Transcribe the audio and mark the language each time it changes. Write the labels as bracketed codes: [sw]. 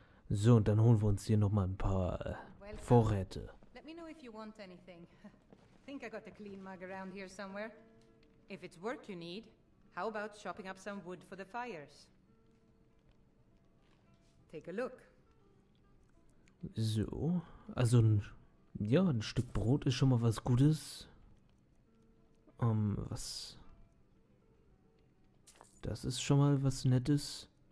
[de] So, und dann holen wir uns hier nochmal ein paar Vorräte. [en] Let me know if you want anything. I think I got a clean mug around here somewhere. If it's work you need, how about chopping up some wood for the fires? Take a look. [de] So, also ein Stück Brot ist schon mal was Gutes. Was? Das ist schon mal was Nettes.